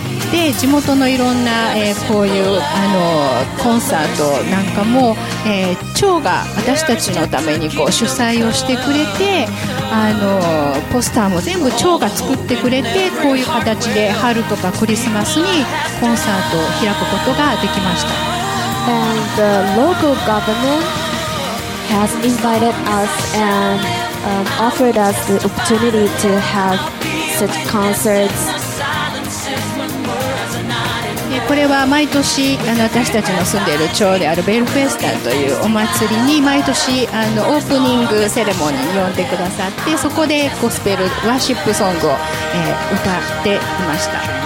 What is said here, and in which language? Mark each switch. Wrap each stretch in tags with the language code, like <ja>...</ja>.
<ja>で、地元のいろんな、こういうコンサートなんかも、町が私たちのためにこう主催をしてくれて、ポスターも全部町が作ってくれて、こういう形で春とかクリスマスにコンサートを開くことができました。</ja> <en>And the local government has invited us and offered us the opportunity to have such concerts</en> <ja>これは毎年私たちの住んでいる町であるベルフェスタというお祭りに毎年オープニングセレモニーに呼んでくださって、そこでゴスペルワーシップソングを、歌っていました。</ja>